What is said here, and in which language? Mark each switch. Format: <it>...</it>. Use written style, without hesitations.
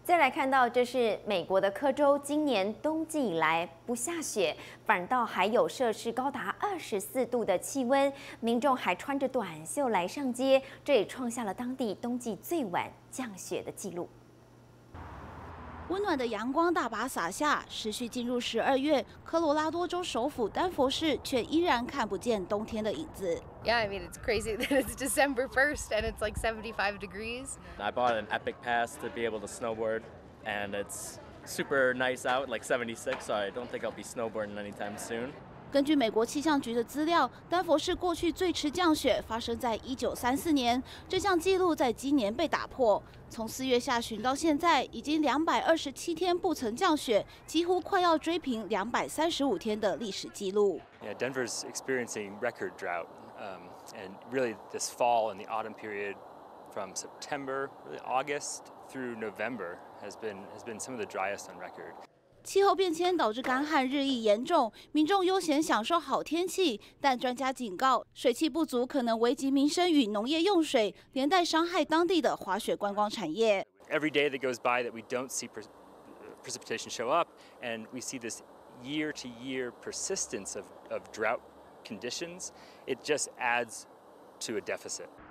<zh>看到这是美国的科州，今年冬季以来不下雪，反倒还有摄氏高达24度的气温，民众还穿着短袖来上街，这也创下了当地冬季最晚降雪的记录。温暖的阳光大把洒下，时序进入12月，科罗拉多州首府丹佛市却依然看不见冬天的影子。</zh> <en>Yeah, I mean it's crazy that it's December 1st and it's like 75 degrees. I bought an epic pass to be able to snowboard. And it's super nice out, like 76, so I don't think I'll be snowboarding anytime soon.</en> <zh>根据美国气象局的资料，丹佛市过去最迟降雪发生在1934年，这项记录在今年被打破。从4月下旬到现在，已经227天不曾降雪，几乎快要追平235天的历史记录。</zh> <en>Yeah, Denver's experiencing record drought, and really this fall and the autumn period from September, really August through November. Has been some of the driest on record.</en> <zh>气候变迁导致干旱日益严重，民众悠闲享受好天气，但专家警告，水汽不足可能危及民生与农业用水，连带伤害当地的滑雪观光产业。</zh> <en>Every day that goes by that we don't see precipitation show up, and we see this year-to-year persistence of drought conditions, it just adds to a deficit.</en>